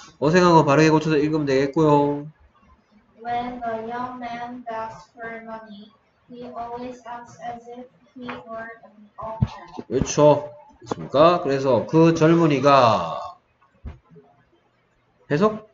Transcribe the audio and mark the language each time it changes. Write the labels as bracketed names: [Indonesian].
[Korean] 어색한 거 바르게 고쳐서 읽으면 되겠고요. [English] When the young man begs for money, he always acts as if he were an old man. [Korean] 그렇죠. 됐습니까? 그래서 그 젊은이가 해석?